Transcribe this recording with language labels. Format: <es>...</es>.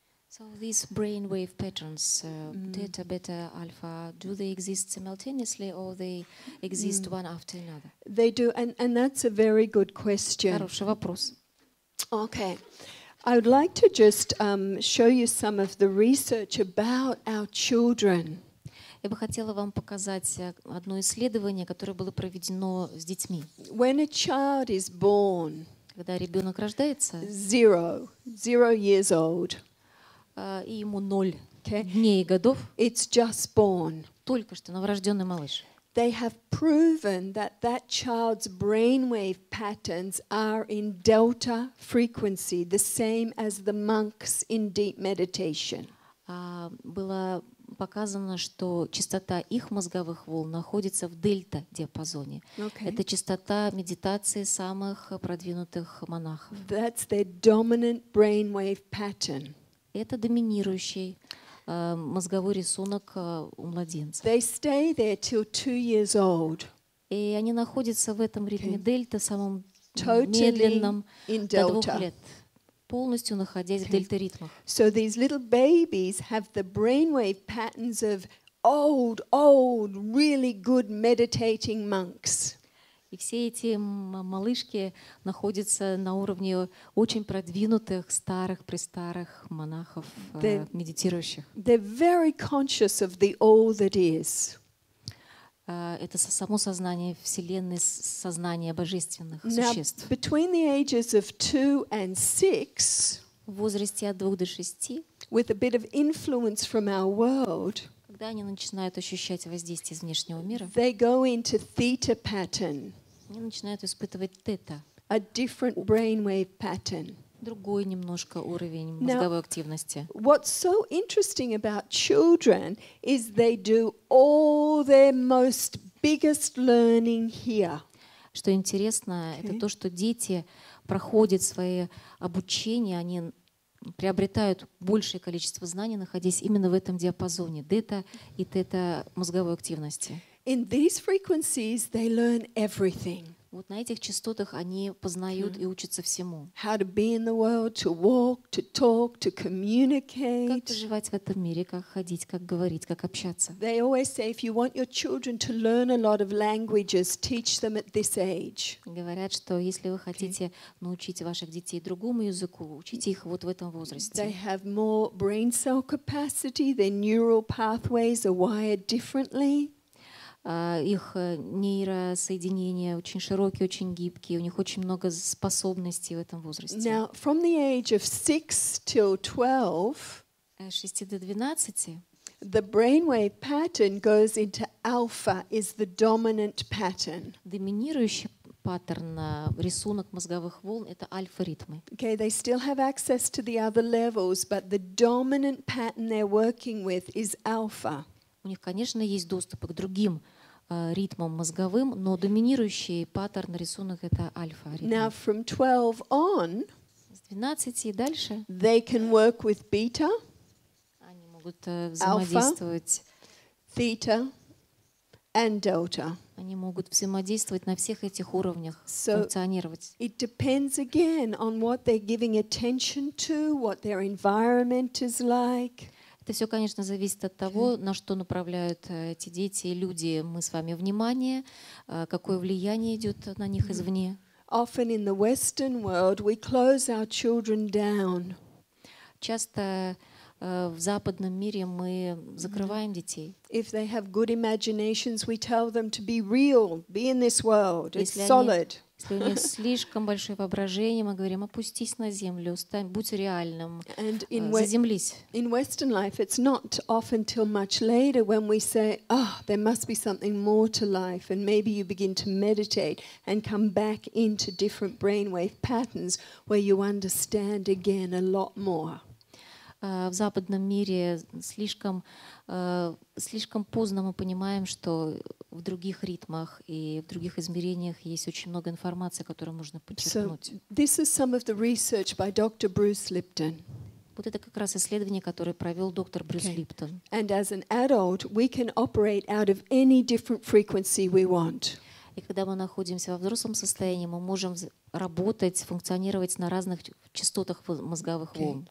<en>So these brainwave patterns, theta, beta, alpha, do they exist simultaneously or they exist one after another? They do, and that's a very good question.</en> <ru>Хороший вопрос.</ru> <en>Okay. I would like to just show you some of the research about our children.</en> <ru>Я бы хотела вам показать одно исследование, которое было проведено с детьми.</ru> <en>When a child is born,</en> <ru>когда ребенок рождается,</ru> <en>zero years old.</en> <ru>И ему ноль дней и годов.</ru> <en>It's just born.</en> <ru>Только что новорожденный малыш.</ru> <en>They have proven that that child's brainwave patterns are in delta frequency, the same as the monks in deep meditation.</en> <ru>Было показано, что частота их мозговых волн находится в дельта диапазоне.</ru> <en>Okay.</en> <ru>Это частота медитации самых продвинутых монахов.</ru> <en>That's their dominant brainwave pattern.</en> <ru>Это доминирующий мозговой рисунок у младенцев.</ru> <en>They stay there till 2 years old.</en> <ru>И они находятся в этом ритме дельта, самом медленном, до 2 лет, полностью находясь в дельта-ритмах.</ru> <en>So these little babies have the brainwave patterns of old, really good meditating monks.</en> <ru>И все эти малышки находятся на уровне очень продвинутых, старых, престарых монахов, медитирующих.</ru> <en>They're very conscious of the all that is.</en> <ru>Это само сознание Вселенной, сознание божественных существ.</ru> <en>Now, between the ages of 2 and 6,</en> <ru>в возрасте от 2 до 6,</ru> <en>with a bit of influence from our world,</en> <ru>когда они начинают ощущать воздействие из внешнего мира,</ru> <en>they go into theta pattern.</en> <ru>Они начинают испытывать тета.</ru> <en>A different brainwave pattern.</en> <ru>Другой немножко уровень мозговой активности.</ru> <en>What's so interesting about children is they do all their most biggest learning here.</en> <ru>Что интересно, это то, что дети проходят свои обучения, они приобретают большее количество знаний, находясь именно в этом диапазоне дета и тета мозговой активности.</ru> <en>In these frequencies they learn everything.</en> <ru>Вот на этих частотах они познают и учатся всему.</ru> <en>How to be in the world, to walk, to talk, to communicate.</en> <ru>Как поживать в этом мире, как ходить, как говорить, как общаться.</ru> <en>They always say, if you want your children to learn a lot of languages, teach them at this age.</en> <ru>Говорят, что если вы хотите научить ваших детей другому языку, учите их вот в этом возрасте.</ru> <en>They have more brain cell capacity, their neural pathways are wired differently.</en> <ru>Их нейросоединения очень широкие, очень гибкие, у них очень много способностей в этом возрасте.</ru> <en>Now, from the age of 6 till 12,</en> <ru>6 до 12,</ru> <en>the brainwave pattern goes into alpha, is the dominant pattern.</en> <ru>Доминирующий паттерн, рисунок мозговых волн — это альфа-ритмы.</ru> <en>Okay, they still have access to the other levels, but the dominant pattern they're working with is alpha.</en> <ru>У них, конечно, есть доступ к другим ритмам мозговым, но доминирующий паттерн рисунок — это альфа-ритм.</ru> <en>Now from 12 on,</en> <ru>с 12 и дальше,</ru> <en>they can work with beta,</en> <ru>они могут взаимодействовать,</ru> <en>theta and delta.</en> <ru>Они могут взаимодействовать на всех этих уровнях, so функционировать.</ru> <en>It depends again on what they're giving attention to, what their environment is like.</en> <ru>Это все, конечно, зависит от того, на что направляют эти дети и люди, мы с вами, внимание, какое влияние идет на них извне.</ru> <en>Often in the Western world we close our children down.</en> <ru>Часто в западном мире мы закрываем детей.</ru> <en>If they have good imaginations, we tell them to be real, be in this world, it's solid.</en> <ru>Если у них слишком большое воображение, мы говорим, опустись на землю, стань, будь реальным, заземлись.</ru> <en>In Western life, it's not often till much later when we say, oh, there must be something more to life, and maybe you begin to meditate and come back into different brainwave patterns where you understand again a lot more.</en> <ru>В западном мире слишком, слишком поздно мы понимаем, что в других ритмах и в других измерениях есть очень много информации, которую можно подчеркнуть.</ru> <en>So, this is some of the research by Dr. Bruce Lipton.</en> <ru>Вот это как раз исследование, которое провел доктор Брюс Липтон.</ru> <en>And as an adult, we can operate out of any different frequency we want.</en> <ru>И когда мы находимся во взрослом состоянии, мы можем работать, функционировать на разных частотах мозговых волн.</ru>